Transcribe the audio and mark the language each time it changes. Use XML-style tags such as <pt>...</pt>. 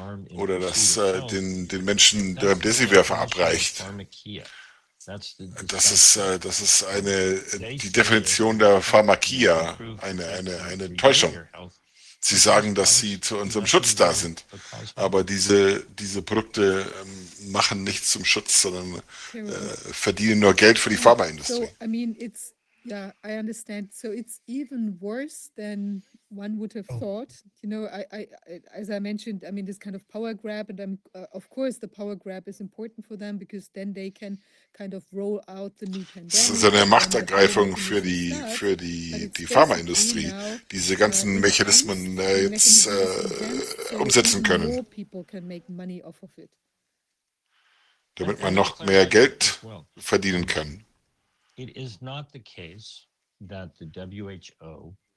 <de>oder dass den Menschen Remdesivir verabreicht, das ist die Definition der Pharmakia, eine Täuschung. Sie sagen, dass sie zu unserem Schutz da sind, aber diese Produkte machen nichts zum Schutz, sondern verdienen nur Geld für die Pharmaindustrie.</de> <en>So, I mean, it's, yeah, I understand. So it's even worse than one would have thought. You know, as I mentioned, I mean, this kind of power grab, and of course the power grab is important for them, because then they can kind of roll out the new pandemic.</en> <de>Das ist eine Machtergreifung für die Pharmaindustrie, diese ganzen Mechanismen jetzt umsetzen können.</de> <en>More people can make money off of it.</en> <de>Damit man noch mehr Geld verdienen kann.</de> <en>It is not the case that the WHO</en>